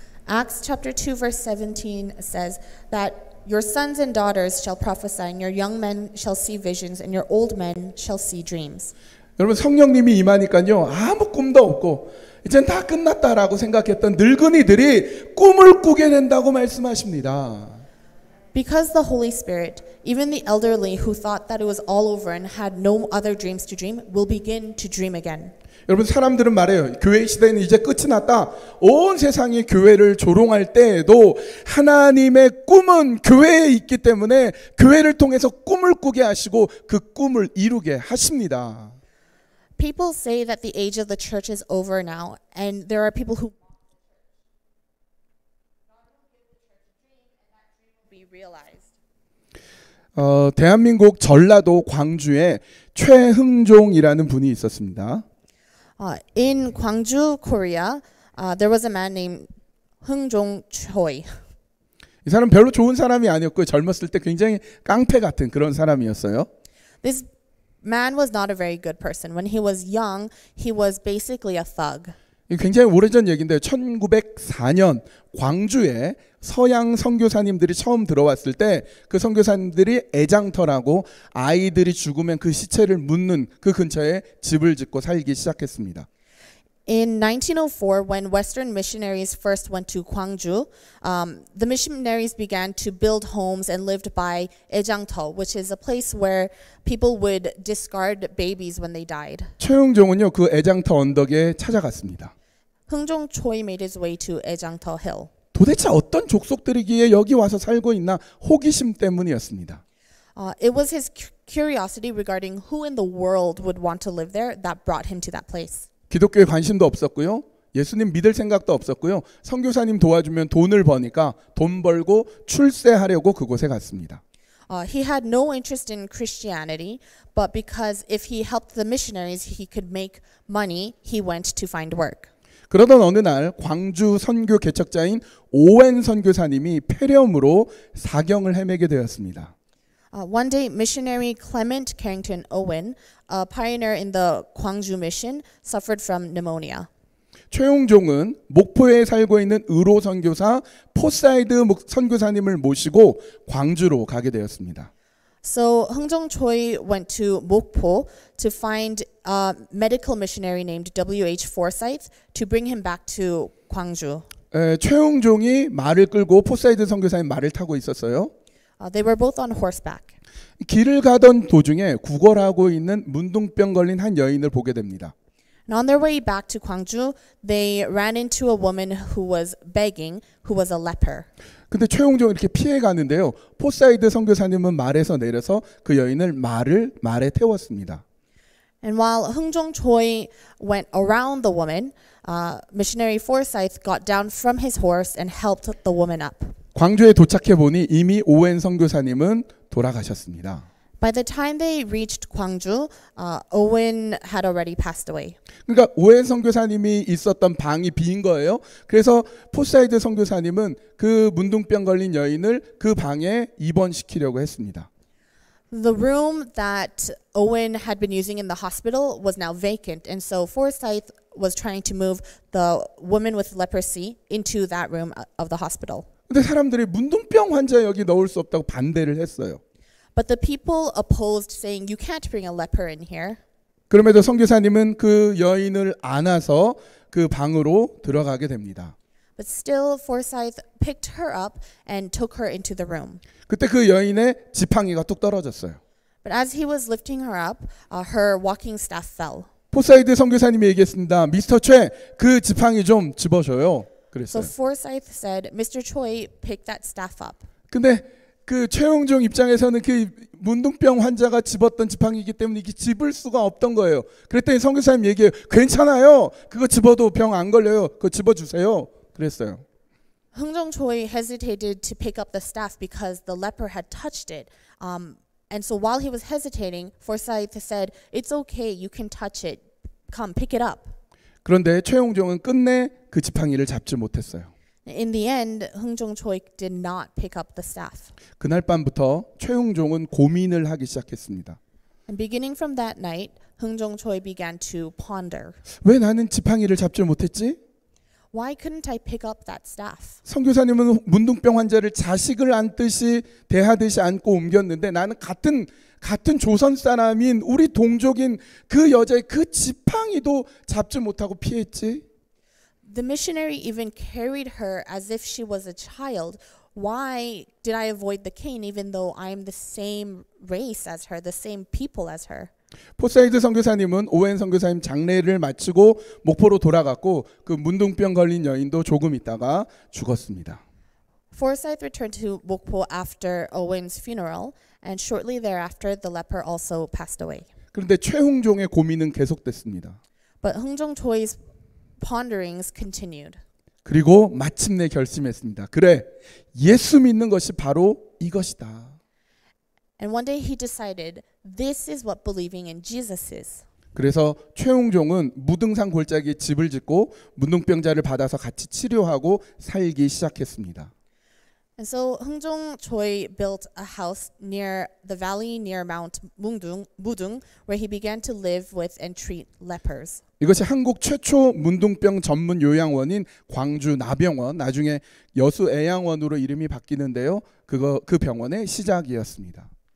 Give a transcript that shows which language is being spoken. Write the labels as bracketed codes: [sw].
[en] Acts chapter 2 verse 17 says that Your sons and daughters shall prophesy, and your young men shall see visions, and your old men shall see dreams. [ko] 여러분 성령님이 임하니까요 아무 꿈도 없고 이제 다 끝났다라고 생각했던 늙은이들이 꿈을 꾸게 된다고 말씀하십니다. [en] Because the Holy Spirit, even the elderly who thought that it was all over and had no other dreams to dream, will begin to dream again. [ko] 여러분 사람들은 말해요. 교회 시대는 이제 끝이 났다. 온 세상이 교회를 조롱할 때에도 하나님의 꿈은 교회에 있기 때문에 교회를 통해서 꿈을 꾸게 하시고 그 꿈을 이루게 하십니다. [en] People say that the age of the church is over now, and there are people who be realized. [ko] 대한민국 전라도 광주에 최흥종이라는 분이 있었습니다. [en] In Gwangju, Korea, there was a man named 흥종 Choi. [ko] 이 사람 별로 좋은 사람이 아니었고 젊었을 때 굉장히 깡패 같은 그런 사람이었어요. [en] This man was not a very good person. When he was young, he was basically a thug. [ko] 굉장히 오래전 얘기인데 1904년 광주에 서양 선교사님들이 처음 들어왔을 때 그 선교사님들이 애장터라고 아이들이 죽으면 그 시체를 묻는 그 근처에 집을 짓고 살기 시작했습니다. [en] In 1904, when Western missionaries first went to Gwangju, the missionaries began to build homes and lived by 애장터, which is a place where people would discard babies when they died. [ko] 최흥종은요, 그 애장터 언덕에 찾아갔습니다. [en] 흥종 Choi made his way to 애장터 hill. [ko] 도대체 어떤 족속들이기에 여기 와서 살고 있나 호기심 때문이었습니다. [en] It was his curiosity regarding who in the world would want to live there that brought him to that place. [ko] 기독교에 관심도 없었고요. 예수님 믿을 생각도 없었고요. 선교사님 도와주면 돈을 버니까 돈 벌고 출세하려고 그곳에 갔습니다. [en] He had no interest in Christianity, but because if he helped the missionaries, he could make money, he went to find work. [ko] 그러던 어느 날 광주 선교 개척자인 오웬 선교사님이 폐렴으로 사경을 헤매게 되었습니다. [en] One day, missionary Clement Carrington Owen, a pioneer in the Gwangju mission, suffered from pneumonia. [ko] 최흥종은 목포에 살고 있는 의로 선교사 포사이드 선교사님을 모시고 광주로 가게 되었습니다. [en] So, 흥종 Choi went to Mokpo to find a medical missionary named W.H. Forsyth to bring him back to Gwangju. [ko] 최흥종이 말을 끌고 포사이드 선교사님 말을 타고 있었어요. [en] They were both on horseback. [ko] 길을 가던 도중에 구걸하고 있는 문둥병 걸린 한 여인을 보게 됩니다. [en] And on their way back to Gwangju, they ran into a woman who was begging, who was a leper. [ko] 근데 최홍종 이렇게 피해 가는데요. 포사이드 선교사님은 말에서 내려서 그 여인을 말에 태웠습니다. [en] And while 흥종 Choi went around the woman, missionary Forsyth got down from his horse and helped the woman up. [ko] 광주에 도착해 보니 이미 오웬 선교사님은 돌아가셨습니다. [en] By the time they reached Gwangju, Owen had already passed away. [ko] 그러니까 오웬 선교사님이 있었던 방이 빈 거예요. 그래서 포사이드 선교사님은 그 문둥병 걸린 여인을 그 방에 입원시키려고 했습니다. [en] The room that Owen had been using in the hospital was now vacant, and so Forsyth was trying to move the woman with leprosy into that room of the hospital. [ko] 근데 사람들이 문둥병 환자 여기 넣을 수 없다고 반대를 했어요. [en] But the people opposed, saying, "You can't bring a leper in here." [ko] 그럼에도 선교사님은 그 여인을 안아서 그 방으로 들어가게 됩니다. [en] But still, Forsyth picked her up and took her into the room. [ko] 그때 그 여인의 지팡이가 뚝 떨어졌어요. [en] But as he was lifting her up, her walking staff fell. [ko] 포사이드 선교사님이 얘기했습니다. 미스터 최, 그 지팡이 좀 집어줘요. 그랬어요. [en] So Forsyth said, "Mr. Choi, pick that staff up." [ko] 근데 그 최홍종 입장에서는 그 문둥병 환자가 집었던 지팡이이기 때문에 이게 집을 수가 없던 거예요. 그랬더니 선교사님 얘기해요. 괜찮아요. 그거 집어도 병 안 걸려요. 그거 집어주세요. 그랬어요. [en] 흥종 Choi hesitated to pick up the staff because the leper had touched it. And so while he was hesitating, Forsyth said, "It's okay. You can touch it. Come, pick it up." [ko] 그런데 최홍종은 끝내 그 지팡이를 잡지 못했어요. [en] In the end, 흥종 Choi did not pick up the staff. [ko] 그날 밤부터 최흥종은 고민을 하기 시작했습니다. [en] And beginning from that night, 흥종 Choi began to ponder. [ko] 왜 나는 지팡이를 잡지 못했지? [en] Why couldn't I pick up that staff? [ko] 선교사님은 문둥병 환자를 자식을 안듯이 대하듯이 안고 옮겼는데 나는 같은 조선 사람인 우리 동족인 그 여자의 그 지팡이도 잡지 못하고 피했지. [en] The missionary even carried her as if she was a child. Why did I avoid the cane even though I'm the same race as her, the same people as her? [ko] 포세이드 선교사님은 오웬 선교사님 장례를 마치고 목포로 돌아갔고 그 문둥병 걸린 여인도 조금 있다가 죽었습니다. [en] Forsyth returned to Mokpo after Owen's funeral, and shortly thereafter, the leper also passed away. [ko] 그런데 최홍종의 고민은 계속됐습니다. [en] But Hong Jong-choi's ponderings continued. [ko] 그리고 마침내 결심했습니다. 그래, 예수 믿는 것이 바로 이것이다. [en] And one day he decided, this is what believing in Jesus is. [ko] 그래서 최홍종은 무등산 골짜기에 집을 짓고 문둥병자를 받아서 같이 치료하고 살기 시작했습니다. [en] And so Hong Jong Choi built a house near the valley near Mount Mudung, where he began to live with and treat lepers. [ko] 이것이 한국 최초 문둥병 전문 요양원인 광주 나병원, 나중에 여수 애양원으로 이름이 바뀌는데요. 그 병원의 시작이었습니다.